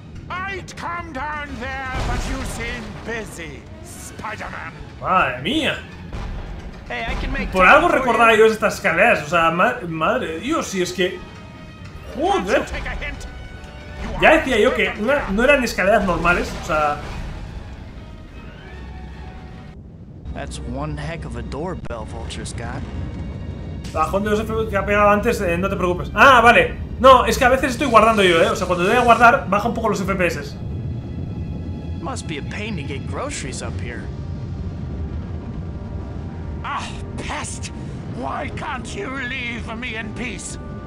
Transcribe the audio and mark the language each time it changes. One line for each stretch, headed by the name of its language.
English: I'd come down there, but you seem busy, Spider-Man.
Spanish: Madre mía.
English: Hey, I can make
Spanish: por algo recordaba yo estas escaleras, o sea, madre de Dios, si es que... Joder. Ya decía yo que no eran escaleras normales, o sea...
English: That's one heck of a doorbell Vulture's got.
Spanish: Bajón de Joseph que ha pegado antes, no te preocupes. Ah, vale. No, es que a veces estoy guardando yo, O sea, cuando doy a guardar, baja un poco los FPS.
English: Must be a pain to get groceries up here. Ah, pest. Why can't you leave me in peace?